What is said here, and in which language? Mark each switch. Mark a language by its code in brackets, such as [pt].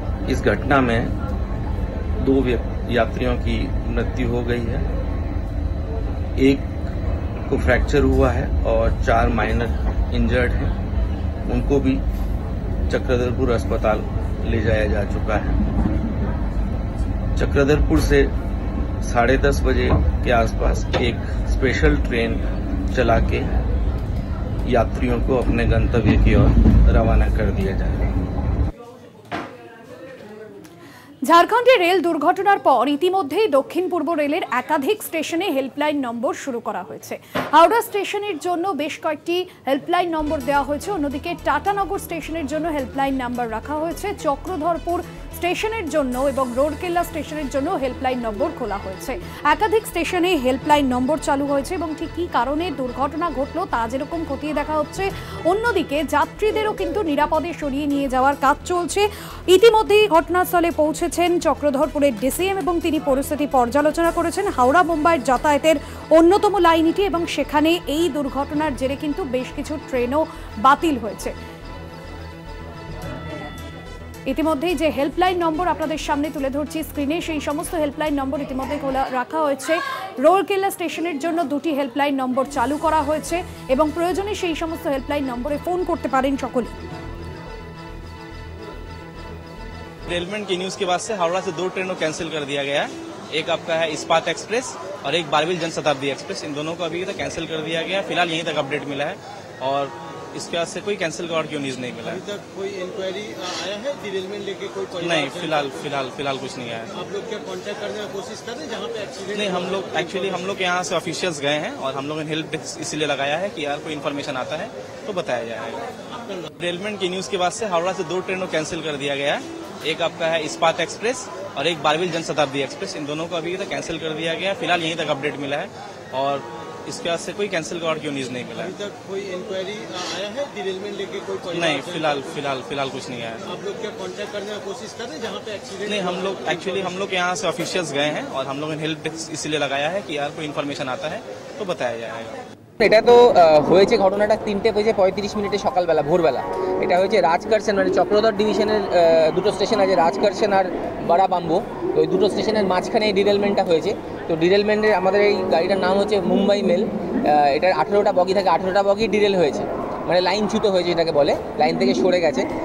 [hi] इस घटना में 2 यात्रियों की मृत्यु हो गई है, 1 को फ्रैक्चर हुआ है और 4 माइनर इंजर्ड हैं, उनको भी चक्रधरपुर अस्पताल ले जाया जा चुका है। चक्रधरपुर से 10:30 के आसपास एक स्पेशल ट्रेन चला के यात्रियों को अपने गंतव्य की ओर रवाना कर दिया जाएगा। [bn] ঝাড়খণ্ডে রেল দুর্ঘটনার পর ইতিমধ্যেই দক্ষিণ পূর্ব রেলের একাধিক স্টেশনে হেল্পলাইন নম্বর শুরু করা হয়েছে। হাওড়া স্টেশনের জন্য বেশ কয়েকটি হেল্পলাইন নম্বর দেওয়া হয়েছে। অন্যদিকে টাটানগর স্টেশনের জন্য হেল্পলাইন নাম্বার রাখা হয়েছে, চক্রধরপুর স্টেশনের জন্য এবং রোড়কেল্লা স্টেশনের জন্য হেল্পলাইন নম্বর খোলা হয়েছে। একাধিক স্টেশনে হেল্পলাইন নম্বর চালু হয়েছে, এবং ঠিক কী কারণে দুর্ঘটনা ঘটলো তা যেরকম খতিয়ে দেখা হচ্ছে। অন্যদিকে যাত্রীদেরও কিন্তু নিরাপদে সরিয়ে নিয়ে যাওয়ার কাজ চলছে। ইতিমধ্যেই ঘটনাস্থলে পৌঁছে চক্রধরপুরের ডিসিএম, এবং তিনি পরিস্থিতি পর্যালোচনা করেছেন। হাওড়া মুম্বাইয়ের যাতায়াতের অন্যতম লাইনটি, এবং সেখানে এই দুর্ঘটনার জেরে কিন্তু বেশ কিছু ট্রেনও বাতিল হয়েছে। ইতিমধ্যেই যে হেল্পলাইন নম্বর আপনাদের সামনে তুলে ধরছি স্ক্রিনে, সেই সমস্ত হেল্পলাইন নম্বর ইতিমধ্যে খোলা রাখা হয়েছে। রোড়কেল্লা স্টেশনের জন্য 2টি হেল্পলাইন নম্বর চালু করা হয়েছে, এবং প্রয়োজনে সেই সমস্ত হেল্পলাইন নম্বরে ফোন করতে পারেন সকলে। [hi] रेलमेंट की न्यूज के बाद से हावड़ा से 2 ट्रेनों कैंसिल कर दिया गया है। एक आपका है इस्पात एक्सप्रेस और एक बारबिल जनशताब्दी एक्सप्रेस, इन दोनों को अभी तक कैंसिल कर दिया गया है। फिलहाल यहीं तक अपडेट मिला है, और इसके बाद से कोई कैंसिल का और क्यों न्यूज़ नहीं मिला है। अभी तक कोई इंक्वायरी आया है डिरेलमेंट लेके कोई? नहीं, फिलहाल कुछ नहीं आया है। आप लोग क्या कॉन्टैक्ट करने की कोशिश कर रहे हैं जहाँ पे एक्सीडेंट? नहीं, हम लोग यहाँ से ऑफिशियल्स गए हैं, और हम लोगों ने हेल्प इसीलिए लगाया है कि यार कोई इन्फॉर्मेशन आता है तो बताया जाएगा। रेलमेंट की न्यूज के बाद से हावड़ा से 2 ट्रेनों कैंसिल कर दिया गया है। एक आपका है इस्पात एक्सप्रेस और एक बारबिल जनशताब्दी एक्सप्रेस, इन दोनों को अभी तक कैंसिल कर दिया गया है। फिलहाल यहीं तक अपडेट मिला है और इसके बाद से कोई कैंसिल का और क्यों न्यूज नहीं मिला अभी तक। कोई इंक्वायरी आया है डिरेलमेंट लेके कोई? नहीं, फिलहाल फिलहाल फिलहाल कुछ नहीं आया। आप लोग क्या कॉन्टेक्ट करने की कोशिश कर रहे हैं जहाँ पे एक्सीडेंट? नहीं, हम लोग एक्चुअली हम लोग यहाँ से ऑफिशियल्स गए हैं और हम लोगों ने हेल्प डेस्क इसलिए लगाया है कि यार कोई इन्फॉर्मेशन आता है तो बताया जाएगा। [bn] এটা তো হয়েছে ঘটনাটা 3:35 সকালবেলা, ভোরবেলা এটা হয়েছে রাজকারসেন, মানে চক্রধর ডিভিশনের দুটো স্টেশন আছে, রাজকারসেন আর বড়াবাম্বু, তো ওই দুটো স্টেশনের মাঝখানে এই ডিরেলমেন্টটা হয়েছে। তো ডিরেলমেন্টের আমাদের এই গাড়িটার নাম হচ্ছে মুম্বাই মেল, এটার 18টা বগি থাকে, 18টা বগি ডিরেল হয়েছে, মানে লাইনচ্যুত হয়েছে এটাকে বলে, লাইন থেকে সরে গেছে।